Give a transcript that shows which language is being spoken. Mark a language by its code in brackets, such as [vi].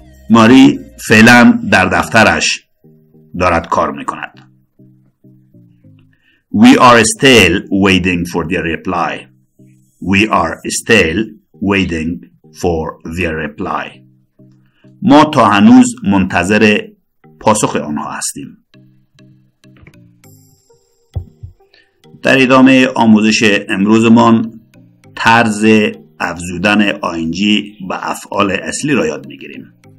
[fa] ماری فعلا در دفترش دارد کار میکند. [en] We are still waiting for the reply. We are still waiting for their reply. [fa] ما تا هنوز منتظر پاسخ آنها هستیم. در ادامه آموزش امروزمان طرز افزودن ing به افعال اصلی را یاد می‌گیریم.